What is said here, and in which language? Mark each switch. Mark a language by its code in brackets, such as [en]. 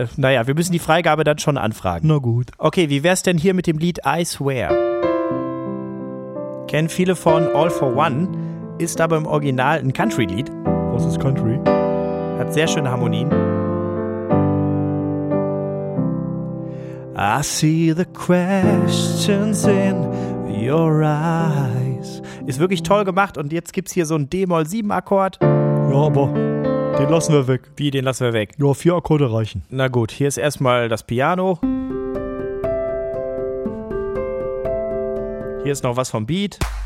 [de] Naja, wir müssen die Freigabe dann schon anfragen. Na gut. Okay, wie wär's denn hier mit dem Lied I Swear? Kennen viele von All for One, ist aber im Original ein Country-Lied. Was ist Country? Hat sehr schöne Harmonien. [en] I see the questions in your eyes. [de] Ist wirklich toll gemacht und jetzt gibt's hier so einen D-Moll-7-Akkord. Ja, aber den lassen wir weg. Wie, den lassen wir weg? Ja, vier Akkorde reichen. Na gut, hier ist erstmal das Piano. Hier ist noch was vom Beat.